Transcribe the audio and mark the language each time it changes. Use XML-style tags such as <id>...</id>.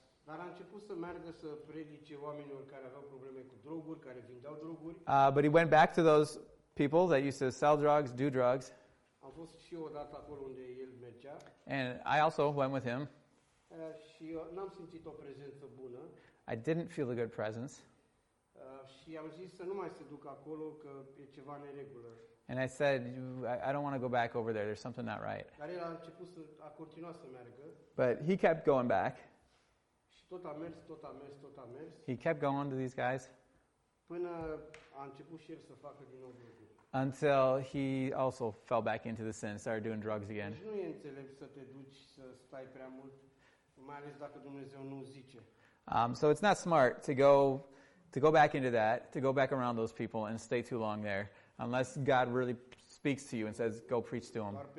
<ro>Dar a început să meargă să predice oamenilor care aveau probleme cu droguri, care vindeau droguri.</ro> <en>But he went back to those people that used to sell drugs, do drugs.</en> <ro>Am fost și eu odată acolo unde el mergea.</ro> <en>And I also went with him.</en> <ro>Și eu n-am simțit o prezență bună.</ro> <en>I didn't feel a good presence.</en> <ro>Și am zis să nu mai se duc acolo, că e ceva neregulă.</ro> <en>And I said, I don't want to go back over there. There's something not right.</en> <ro>Dar el a început a continua să meargă.</ro> <en>But he kept going back.</en> <ro>Și tot a mers, tot a mers, tot a mers.</ro> <en>He kept going to these guys.</en> <ro>Până a început și el să facă din nou drogă.</ro> <en>Until he also fell back into the sin, started doing drugs again.</en> <ro>Nu e înțelept să te duci să stai prea mult, mai ales dacă Dumnezeu nu zice.</ro> <en>So it's not smart to go back into that, to go back around those people and stay too long there, unless God really speaks to you and says, go preach to them.</en>